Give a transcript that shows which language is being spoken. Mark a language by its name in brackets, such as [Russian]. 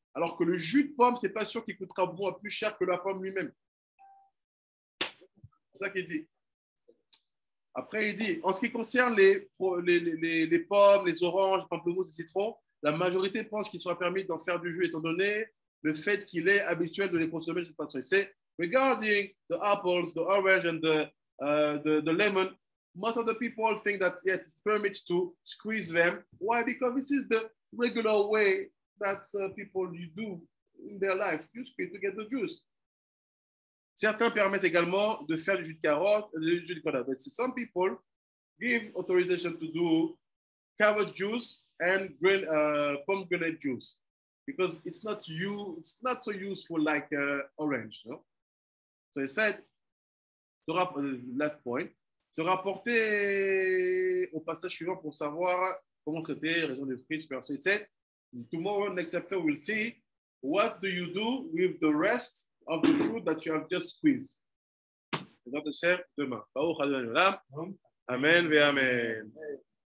[French] Alors que le jus de pomme, ce n'est pas sûr qu'il coûtera moins plus cher que la pomme lui-même. C'est ça qu'il dit. Après, il dit, en ce qui concerne les pommes, les oranges, les pamplemousses, les citrons, la majorité pense qu'il sera permis d'en faire du jus étant donné le fait qu'il est habituel de les consommer de cette façon. [English] C'est regarding the apples, the orange and the lemon, most of the people think that yeah, it's permitted to squeeze them. Why? Because this is the regular way that people do in their life. You squeeze to get the juice. [French] Certains permettent également de faire du jus de carotte, du jus de banane. [English] But some people give authorization to do carrot juice and green pomegranate juice because it's not so useful like orange. No? So he said, last point, [French] se rapporter au passage suivant pour savoir comment traiter les raisons de fruits. [English] So he said, tomorrow, next chapter, we'll see what do you do with the rest of the fruit that you have just squeezed. Demain. Amen. Amen.